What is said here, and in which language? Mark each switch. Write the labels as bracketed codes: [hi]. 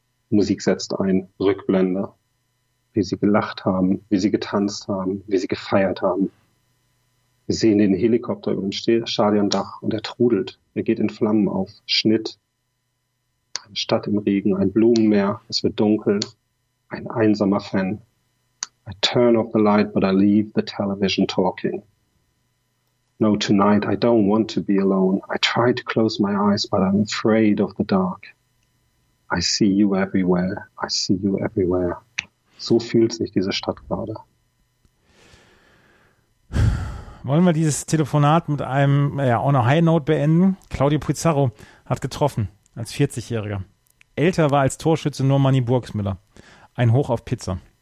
[de] Musik setzt ein, Rückblende, wie sie gelacht haben, wie sie getanzt haben, wie sie gefeiert haben. Wir sehen den Helikopter über dem Stadiondach und er trudelt, er geht in Flammen auf, Schnitt, eine Stadt im Regen, ein Blumenmeer, es wird dunkel, ein einsamer Fan. [en] I turn off the light, but I leave the television talking. No, tonight I don't want to be alone. I try to close my eyes, but I'm afraid of the dark. I see you everywhere, I see you everywhere. [de] So fühlt sich diese Stadt gerade. Wollen wir dieses Telefonat mit einem [en] on a high note [de] beenden? Claudio Pizarro hat getroffen, als 40-Jähriger. Älter war als Torschütze nur Manni Burgsmüller. Ein Hoch auf Pizza.